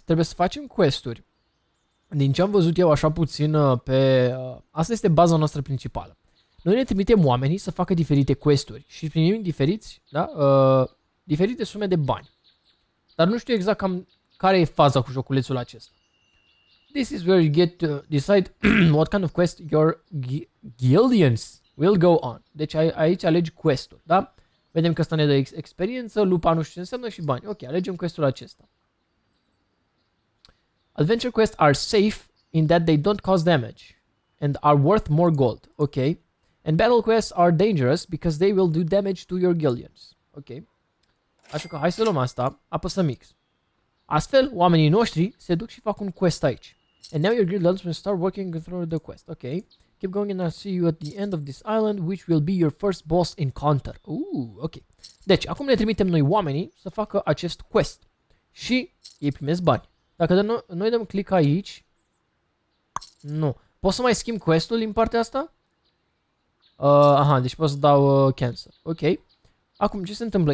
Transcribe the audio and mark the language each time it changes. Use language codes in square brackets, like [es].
[ro] Trebuie să facem quest-uri. Din ce am văzut eu așa puțin pe... Asta este baza noastră principală. Noi ne trimitem oamenii să facă diferite quest-uri. Și primim diferiți, da? Diferite sume de bani. Dar nu știu exact cam... Care e faza cu joculețul acesta? [en] This is where you get to decide what kind of quest your guildians will go on. [ro] Deci aici alegi quest-ul, da? Vedem că ăsta ne dă experiență, lupa nu știu ce înseamnă și bani. Ok, alegem quest-ul acesta. [en] Adventure quests are safe in that they don't cause damage and are worth more gold. Ok. And battle quests are dangerous because they will do damage to your guildians. Ok. [ro] Așa că hai să luăm asta, apăsăm X. Astfel, oamenii noștri se duc și fac un quest aici. [en] And now your guild leaders will start working through the quest. Ok. Keep going and I'll see you at the end of this island, which will be your first boss encounter. Ok. [ro] Deci, acum ne trimitem noi oamenii să facă acest quest. Și ei primesc bani. Dacă noi dăm click aici... Nu. Pot să mai schimb quest-ul din partea asta? Deci pot să dau cancel. Ok. Acum, ce se întâmplă?